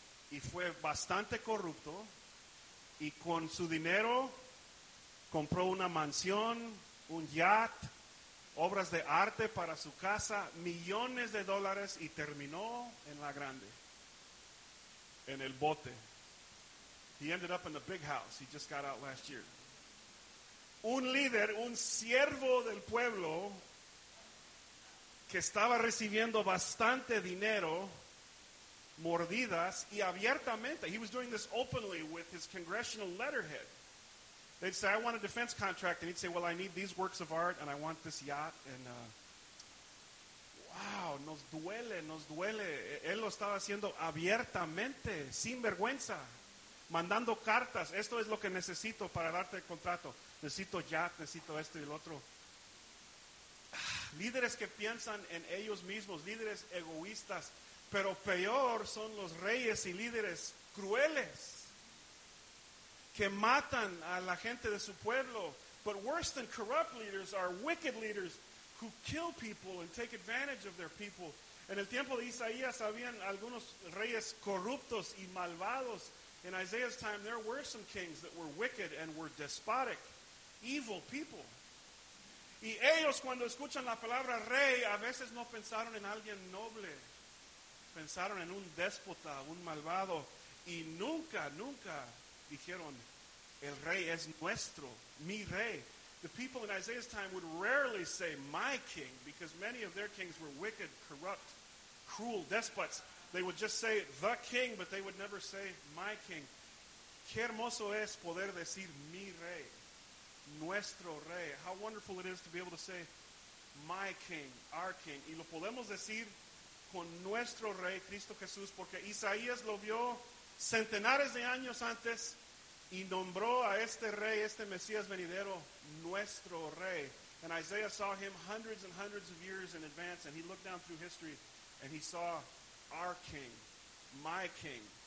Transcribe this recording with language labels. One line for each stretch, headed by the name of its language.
Spanish: Y fue bastante corrupto, y con su dinero compró una mansión, un yacht, obras de arte para su casa, millones de dólares, y terminó en la grande, en el bote.
English: He ended up in the big house. He just got out last year.
Spanish: Un líder, un siervo del pueblo, que estaba recibiendo bastante dinero, mordidas y abiertamente.
English: He was doing this openly with his congressional letterhead. They'd say, I want a defense contract. And he'd say, well, I need these works of art and I want this yacht. And wow,
Spanish: nos duele. Él lo estaba haciendo abiertamente, sin vergüenza, mandando cartas. Esto es lo que necesito para darte el contrato. Necesito yacht, necesito esto y el otro. Líderes que piensan en ellos mismos, líderes egoístas. Pero peor son los reyes y líderes crueles que matan a la gente de su pueblo.
English: But worse than corrupt leaders are wicked leaders who kill people and take advantage of their people.
Spanish: En el tiempo de Isaías habían algunos reyes corruptos y malvados.
English: In Isaiah's time, there were some kings that were wicked and were despotic, evil people.
Spanish: Y ellos cuando escuchan la palabra rey, a veces no pensaron en alguien noble. Pensaron en un déspota, un malvado. Y nunca, nunca dijeron, el rey es nuestro, mi rey.
English: The people in Isaiah's time would rarely say, my king, because many of their kings were wicked, corrupt, cruel despots. They would just say, the king, but they would never say, my king.
Spanish: Qué hermoso es poder decir, mi rey. Nuestro rey.
English: How wonderful it is to be able to say, my king, our king.
Spanish: Y lo podemos decir con nuestro rey, Cristo Jesús, porque Isaías lo vio centenares de años antes y nombró a este rey, este Mesías venidero, nuestro rey.
English: And Isaiah saw him hundreds and hundreds of years in advance, and he looked down through history, and he saw our king, my king.